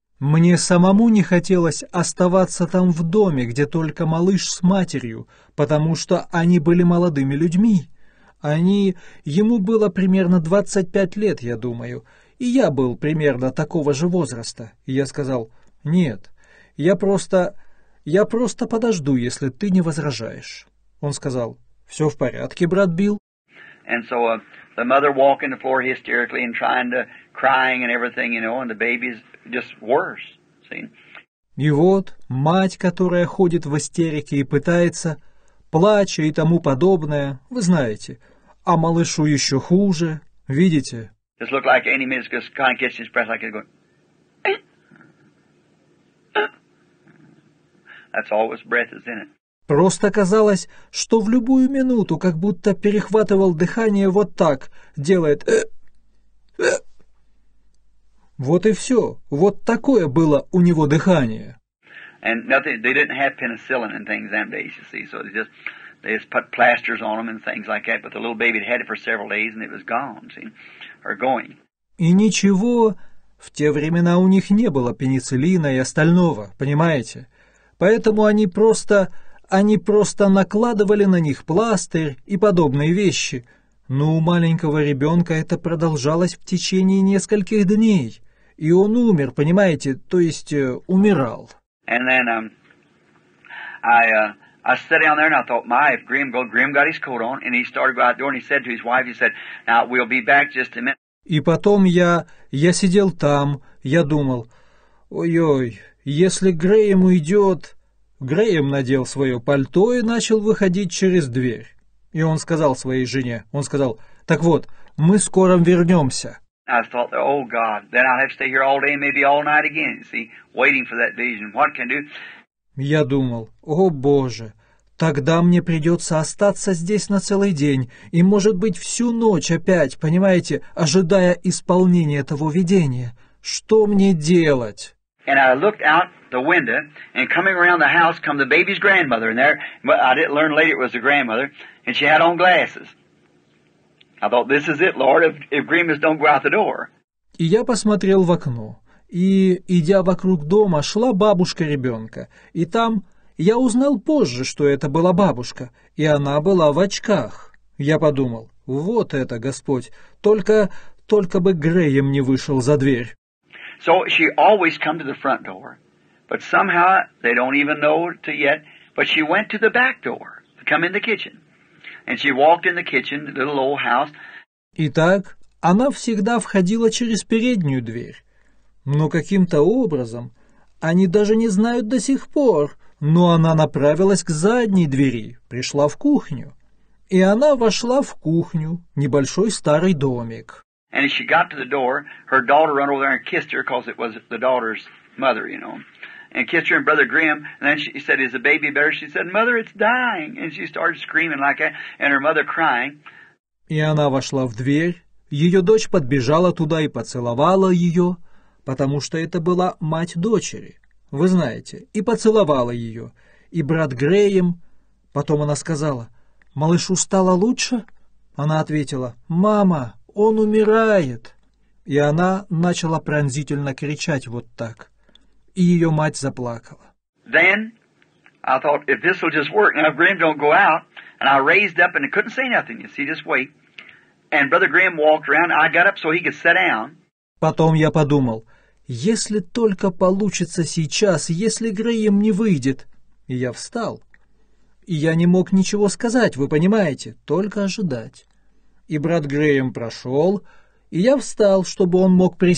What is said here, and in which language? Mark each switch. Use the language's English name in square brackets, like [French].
[Russian] Мне самому не хотелось оставаться там в доме, где только малыш с матерью, потому что они были молодыми людьми. Они... Ему было примерно 25 лет, я думаю, и я был примерно такого же возраста. И я сказал, нет, я просто подожду, если ты не возражаешь. Он сказал, все в порядке, брат Билл. [English] And so, the mother walking the floor hysterically and trying to crying and everything, you know, and the baby's just worse. See? [Russian] И вот мать, которая ходит в истерике и пытается, плача и тому подобное, вы знаете, а малышу еще хуже, видите? [English] Just look like any minute just kind of gets his breath like it's going. That's all his breath is in it. [Russian] Просто казалось, что в любую минуту, как будто перехватывал дыхание вот так, делает вот и все. Вот такое было у него дыхание. [English] And nothing, they didn't have penicillin and things them days, you see, so they just put plasters on them and things like that, but the little baby had it for several days and it was gone, see, or going. [Russian] И ничего, в те времена у них не было пенициллина и остального, понимаете? Поэтому они просто накладывали на них пластырь и подобные вещи. Но у маленького ребенка это продолжалось в течение нескольких дней. И он умер, понимаете, то есть умирал. [English] And then I sat down there and I thought, my, if Graham got his coat on, and he started to go out the door, and he said to his wife, he said, now we'll be back just a minute. [Russian] И потом я сидел там, я думал, ой-ой, если Грейм уйдет... Грейм надел свое пальто и начал выходить через дверь. И он сказал своей жене, он сказал, «Так вот, мы скоро вернемся». [English] I thought, oh God, then I'll have to stay here all day, maybe all night again, see, waiting for that vision. What can I do? [Russian] Я думал, «О Боже, тогда мне придется остаться здесь на целый день и, может быть, всю ночь опять, понимаете, ожидая исполнения того видения. Что мне делать?» [English] And I looked out the window, and coming around the house come the baby's grandmother in there. But I didn't learn later it was the grandmother, and she had on glasses. I thought, this is it, Lord, if Grimms don't go out the door. [Russian] И я посмотрел в окно, и, идя вокруг дома, шла бабушка ребенка. И там я узнал позже, что это была бабушка, и она была в очках. Я подумал, вот это, Господь, только бы Грейм не вышел за дверь. [English] So she always come to the front door, but somehow they don't even know it yet, but she went to the back door to come in the kitchen. And she walked in the kitchen, the little old house. [Russian] Итак, она всегда входила через переднюю дверь. Но каким-то образом, они даже не знают до сих пор, но она направилась к задней двери, пришла в кухню. И она вошла в кухню, небольшой старый домик. [English] And as she got to the door, her daughter ran over there and kissed her, because it was the daughter's mother, you know, and kissed her and Brother Graham. And then she said, is the baby better? She said, Mother, it's dying. And she started screaming like that, and her mother crying. [Russian] И она вошла в дверь. Ее дочь подбежала туда и поцеловала ее, потому что это была мать дочери, вы знаете, и поцеловала ее. И брат Грейм, потом она сказала, малышу стало лучше? Она ответила: «Мама, он умирает!» И она начала пронзительно кричать вот так. И ее мать заплакала. [English] Then I thought, if this will just work, now Graham don't go out, and I raised up and I couldn't say nothing. You see, just wait. And Brother Graham walked around. I got up so he could sit down. [Russian] Потом я подумал, если только получится сейчас, если Грейм не выйдет. И я встал. И я не мог ничего сказать, вы понимаете, только ожидать. И брат Грейм прошел, и я встал, чтобы он мог